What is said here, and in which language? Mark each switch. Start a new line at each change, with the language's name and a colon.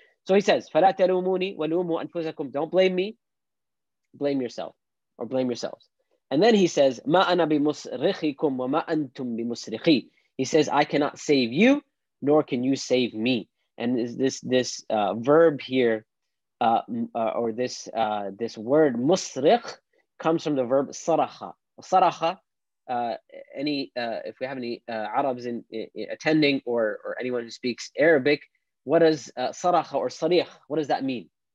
English: So he says,
Arabic: فَلَا تَلُومُونِي وَلُومُوا أَنفُسَكُمْ.
English: Don't blame me. Blame yourself, or blame yourselves. And then he says,
Arabic: مَا أَنَا بِمُسْرِخِكُمْ وَمَا أَنْتُمْ بِمُسْرِخِي.
English: He says, I cannot save you, nor can you save me. And this verb here, this word musrikh, comes from the verb saracha. Saracha, if we have any Arabs in attending, or anyone who speaks Arabic, what does saracha or sarikh, what does that mean?